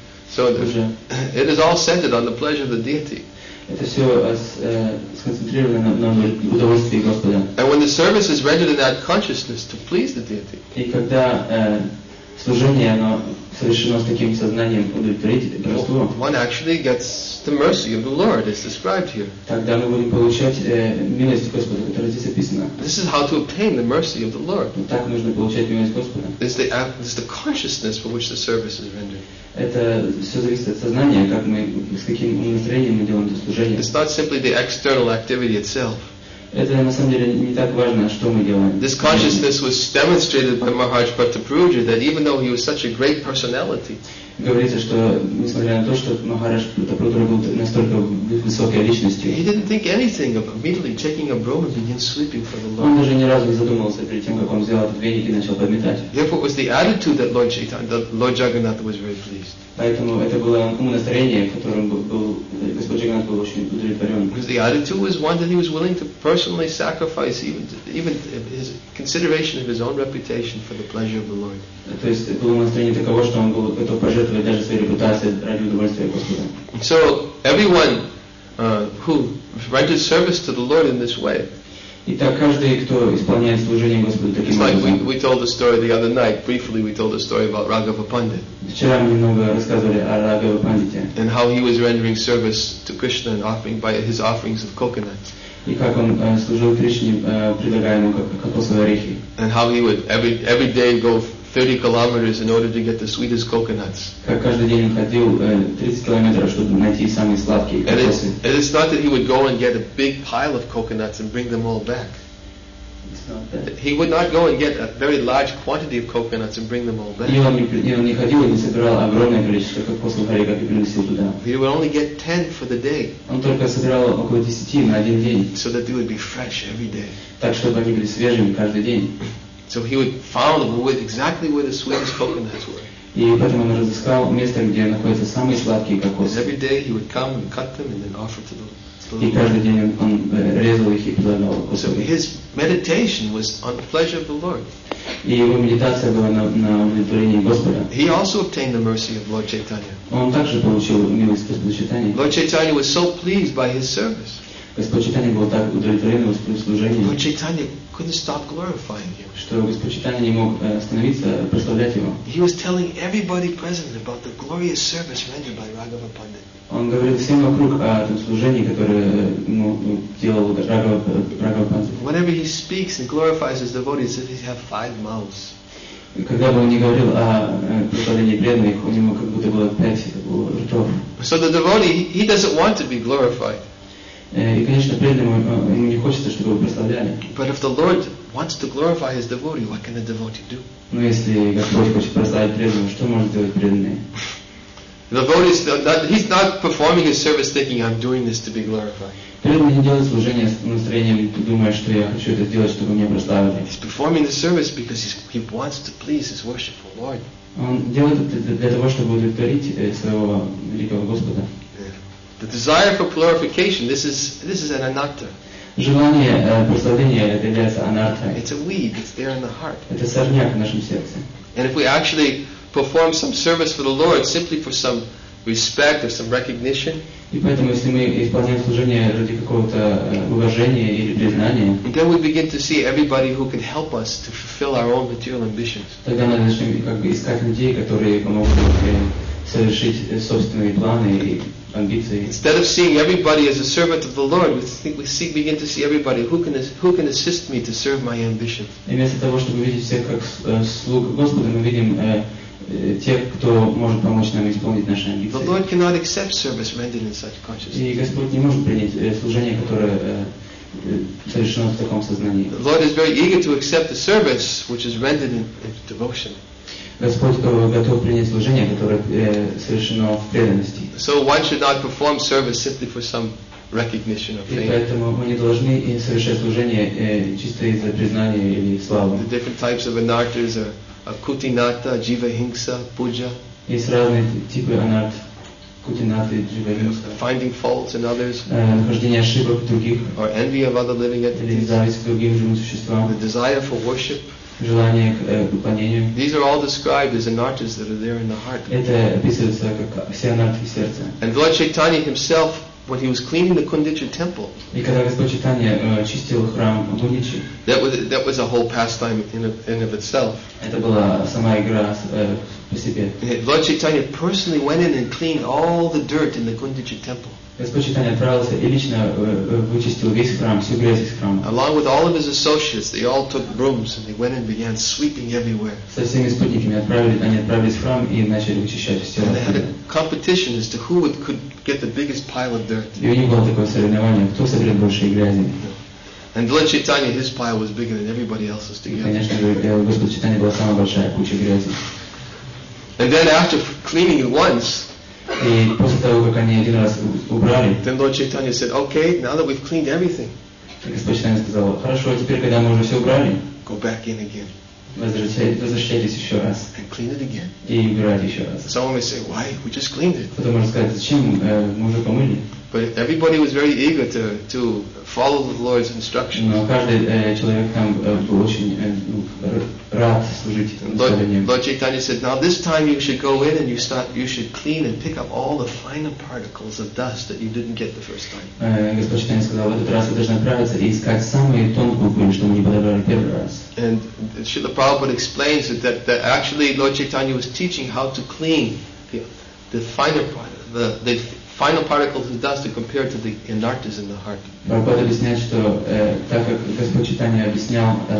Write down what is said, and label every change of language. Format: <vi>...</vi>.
<en>So it is all centered on the pleasure of the deity.</en> <ru>Это все сконцентрировано на удовольствии Господа.</ru> <en>And when the service is rendered in that consciousness to please the deity.</en> <ru>И когда служение оно совершено с таким сознанием удовлетворить Божество.</ru> <en>One actually gets the mercy of the Lord, as described here.</en> <ru>Тогда мы будем получать милость Господа, которая здесь описана.</ru> <en>This is how to obtain the mercy of the Lord.</en> <ru>Так нужно получать милость Господа.</ru> <en>This is the consciousness for which the service is rendered.</en> <ru>Это все зависит от сознания, как мы, с каким умозрением мы делаем это служение.</ru> <en>It's not simply the external activity itself.</en> <ru>Это на самом деле не так важно, что мы делаем.</ru> <en>This consciousness was demonstrated by Maharaj Pratapruja that even though he was such a great personality.</en> <ru>Говорится, что несмотря на то, что Махарадж Пратапрудра был настолько высокой личностью.</ru> <en>He didn't think anything of immediately taking a broom and begin sweeping for the Lord.</en> <ru>Он даже ни разу не задумывался перед тем, как он взял этот веник и начал подметать.</ru> <en>Therefore, it was the attitude that Lord Jagannath was very pleased.</en> <ru>Поэтому это было умонастроение, которым был Господь Джаганат был очень удовлетворен.</ru> <en>Because the attitude was one that he was willing to personally sacrifice even his consideration of his own reputation for the pleasure of the Lord.</en> <ru>То есть было умонастроение таково, что он был готов пожертвовать даже своей репутацией ради удовольствия Господа.</ru> <en>So everyone who rendered service to the Lord in this way.</en> <ru>Итак, каждый, кто исполняет служение Господу таким образом.</ru> <en>It's like we told the story the other night. Briefly, we told the story about Raghava Pandit.</en> <ru>Вчера мы немного рассказывали о Раghava Пандите.</ru> <en>And how he was rendering service to Krishna and offering by his offerings of coconuts.</en> <ru>И как он служил Кришне, предлагая ему кокосовые орехи.</ru> <en>And how he would every day go 30 kilometers in order to get the sweetest coconuts. And it's not that he would go and get a big pile of coconuts and bring them all back. He would not go and get a very large quantity of coconuts and bring them all back. He would only get 10 for the day. So that they would be fresh every day. So he would found exactly where the sweetest coconuts were.</en> <ru>И поэтому он разыскал место, где находятся самые сладкие кокосы.</ru> <en>Every day he would come and cut them and then offer to the</en> <ru>И каждый день он резал их и предлагал.</ru> <en>So his meditation was on the pleasure of the Lord.</en> <ru>И его медитация была на удовлетворении Господа.</ru> <en>He also obtained the mercy of Lord Chaitanya.</en> <ru>Он также получил милость Господа Чайтаньи.</ru> <en>Lord Chaitanya was so pleased by his service.</en> <ru>Господь Чайтанья был так удовлетворен его служением.</ru> <en>Lord Chaitanya couldn't stop glorifying him.</en> <ru>Что Господь Чайтанья не мог остановиться прославлять его.</ru> <en>He was telling everybody present about the glorious service rendered by Raghava Pandit.</en> <ru>Он говорил всем вокруг о том служении, которое ему делал Раghava Pandit.</ru> <en>Whenever he speaks and glorifies his devotees, if he has five mouths.</en> <ru>Когда бы он ни говорил о прославлении преданных, у него как будто было пять ртов.</ru> <en>So the devotee, he doesn't want to be glorified.</en> <ru>И, конечно, преданному ему не хочется, чтобы его прославляли.</ru> <en>But if the Lord wants to glorify his devotee, what can the devotee do?</en> <ru>Но если Господь хочет прославить преданного, что может делать преданный?</ru> <en>The devotee he's not performing his service thinking I'm doing this to be glorified.</en> <ru>Преданный не делает служение с настроением, думая, что я хочу это сделать, чтобы меня прославили.</ru> <en>He's performing the service because he wants to please his worshipful Lord.</en> <ru>Он делает это для того, чтобы удовлетворить своего великого Господа.</ru> <en>The desire for glorification, this is an anatta.</en> <ru>Желание прославления это является анатта.</ru> <en>It's a weed, it's there in the heart.</en> <ru>Это сорняк в нашем сердце.</ru> <en>And if we actually perform some service for the Lord simply for some respect or some recognition.</en> <ru>И поэтому, если мы исполняем служение ради какого-то уважения или признания,</ru> <en>then we begin to see everybody who can help us to fulfill our own material ambitions.</en> <ru>Тогда мы начнем как бы искать людей, которые помогут нам совершить собственные планы и амбиции.</ru> <en>Instead of seeing everybody as a servant of the Lord, we begin to see everybody who can assist me to serve my ambitions.</en> <ru>И вместо того, чтобы видеть всех как слуг Господа, мы видим тех, кто может помочь нам исполнить наши амбиции.</ru> <en>The Lord cannot accept service rendered in such consciousness.</en> <ru>И Господь не может принять служение, которое совершено в таком сознании.</ru> <en>The Lord is very eager to accept the service which is rendered in devotion.</en> <ru>Господь готов принять служение, которое совершено в преданности.</ru> <en>So one should not perform service simply for some recognition of fame.</en> <ru>И поэтому мы не должны совершать служение чисто из-за признания или славы.</ru> <en>The different types of anartas are Kutinata, Jiva Hingsa, Puja.</en> <ru>Есть разные типы анарт. Кутинаты, Джива Хингса.</ru> <en>Finding faults in others.</en> <ru>Нахождение ошибок в других.</ru> <en>Or envy of other living entities.</en> <ru>Или зависть к другим живым существам.</ru> <en>The desire for worship.</en> <ru>Желание к поклонению.</ru> <en>These are all described as anartas that are there in the heart.</en> <ru>Это описывается как все анарты сердца.</ru> <en>And Lord Chaitanya himself, when he was cleaning the Kundicha temple.</en> <ru>И когда Господь Чайтанья чистил храм Кундичи.</ru> <en>That was a whole pastime in of itself.</en> <ru>Это была сама игра по себе.</ru> <en>Lord Chaitanya personally went in and cleaned all the dirt in the Kundicha temple.</en> <ru>Господь Чайтанья отправился и лично вычистил весь храм, всю грязь из храма.</ru> <en>Along with all of his associates, they all took brooms and they went and began sweeping everywhere.</en> <ru>Со всеми спутниками они отправились в храм и начали вычищать все.</ru> <en>And they had a competition as to who could get the biggest pile of dirt.</en> <ru>И у них было такое соревнование, кто соберет больше грязи.</ru> <en>And Lord Chaitanya, his pile was bigger than everybody else's together.</en> <ru>Конечно же, у Господа Чайтаньи была самая большая куча грязи.</ru> <en>And then after cleaning it once,</en> <ru>и после того, как они один раз убрали,</ru> <en>then Lord Chaitanya said, okay, now that we've cleaned everything,</en> <ru>Господь Чайтанья сказал, хорошо, теперь, когда мы уже все убрали,</ru> <en>go back in again.</en> <ru>Возвращайтесь еще раз.</ru> <en>And clean it again.</en> <ru>И убирайте еще раз.</ru> <en>Someone may say, why? We just cleaned it.</en> <ru>Кто-то может сказать, зачем? Мы уже помыли.</ru> <en>But everybody was very eager to follow the Lord's instructions.</en> <ru>Но каждый человек там был очень рад служить наставлениям.</ru> <en>Lord Chaitanya said, now this time you should go in and you should clean and pick up all the finer particles of dust that you didn't get the first time.</en> <ru>Господь Чайтанья сказал, в этот раз вы должны отправиться и искать самые тонкие пыль, что мы не подобрали первый раз.</ru> <en>And Srila Prabhupada explains that actually Lord Chaitanya was teaching how to clean the final particles of dust to compare to the anartas in the heart.</en> <ru>Прабхупада объясняет, что так как Господь Чайтанья объяснял</ru>